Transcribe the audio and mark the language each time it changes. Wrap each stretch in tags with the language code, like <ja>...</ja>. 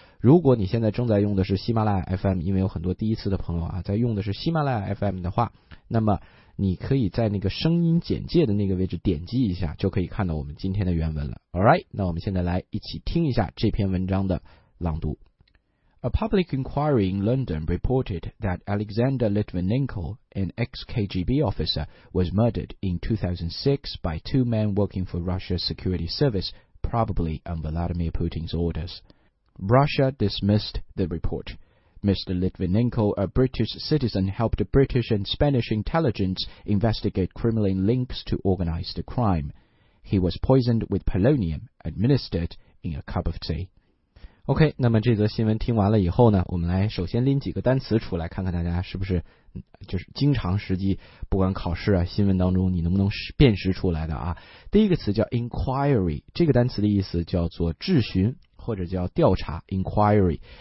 <zh>如果你现在正在用的是喜马拉雅 FM, 因为有很多第一次的朋友啊在用的是喜马拉雅 FM 的话，那么你可以在那个声音简介的那个位置点击一下，就可以看到我们今天的原文了。 Alright, 那我们现在来一起听一下这篇文章的朗读。</zh> <en>A public inquiry in London reported that Alexander Litvinenko, an ex-KGB officer, was murdered in 2006 by two men working for Russia's security service, probably on Vladimir Putin's orders. Russia dismissed the report. Mr. Litvinenko, a British citizen, helped British and Spanish intelligence investigate Kremlin links to organized crime. He was poisoned with polonium, administered in a cup of tea.</en> <zh>OK, 那么这则新闻听完了以后呢，我们来首先拎几个单词出来，看看大家是不是就是经常实际不管考试啊新闻当中你能不能辨识出来的啊。第一个词叫 inquiry, 这个单词的意思叫做质询或者叫调查 inquiry。</zh>